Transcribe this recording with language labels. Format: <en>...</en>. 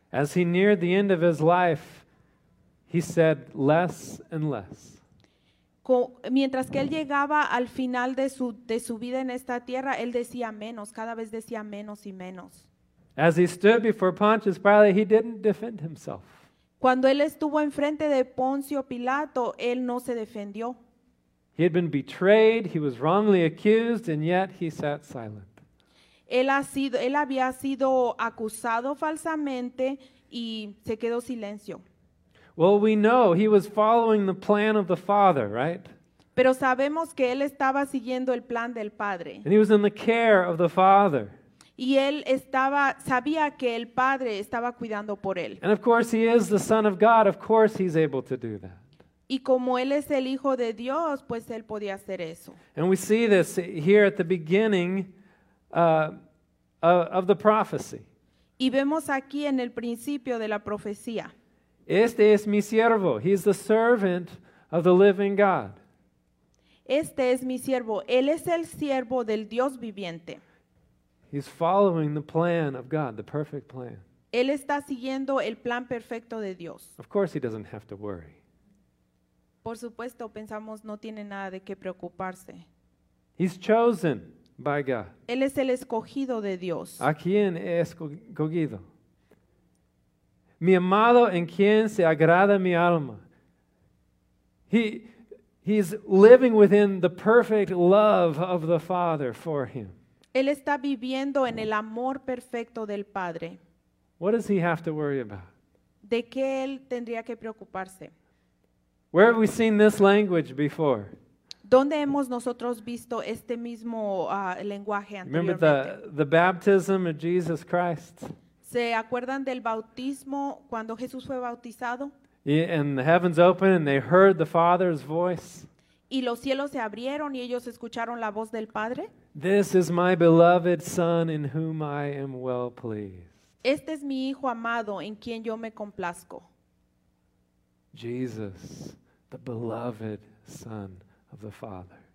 <en>As he neared the end of his life, he said less and less.</en> <es>Mientras que él llegaba al final de su vida en esta tierra, él decía menos, cada vez decía menos y menos.</es> <en>As he stood before Pontius Pilate, he didn't defend himself.</en> <es>Cuando él estuvo enfrente de Poncio Pilato, él no se defendió.</es> <en>He had been betrayed, he was wrongly accused, and yet he sat silent.</en> <es>Él había sido acusado falsamente y se quedó silencio.</es> <en>Well, we know he was following the plan of the Father, right?</en> <es>Pero sabemos que él estaba siguiendo el plan del Padre.</es> <en>And he was in the care of the Father.</en> <es>Y él sabía que el Padre estaba cuidando por él.</es> <en>And of course he is the Son of God, of course he's able to do that.</en> <es>Y como él es el Hijo de Dios, pues él podía hacer eso.</es> <en>And we see this here at the beginning of the prophecy.</en> <es>Y vemos aquí en el principio de la profecía. Este es mi siervo.</es> <en>He is the servant of the living God.</en> <es>Este es mi siervo. Él es el siervo del Dios viviente.</es> <en>He's following the plan of God, the perfect plan.</en> <es>Él está siguiendo el plan perfecto de Dios.</es> <en>Of course he doesn't have to worry.</en> <es>Por supuesto, pensamos no tiene nada de qué preocuparse.</es> <en>He's chosen by God.</en> <es>Él es el escogido de Dios. ¿A quién he escogido? Mi amado en quien se agrada mi alma.</es> <en>He's living within the perfect love of the Father for him.</en> <es>Él está viviendo en el amor perfecto del Padre.</es> <en>What does he have to worry about?</en> <es>¿De qué él tendría que preocuparse?</es> <en>Where have we seen this language before?</en> <es>¿Dónde hemos nosotros visto este mismo lenguaje anteriormente?</es> <en>Remember the baptism of Jesus Christ.</en> <es>¿Se acuerdan del bautismo cuando Jesús fue bautizado?</es> <en>Yeah, and the heavens opened and they heard the Father's voice.</en> <es>Y los cielos se abrieron y ellos escucharon la voz del Padre.</es> <en>This is my beloved Son in whom I am well pleased.</en> <es>Este es mi hijo amado en quien yo me complazco.</es> <en>Jesus, the beloved Son of the Father.</en>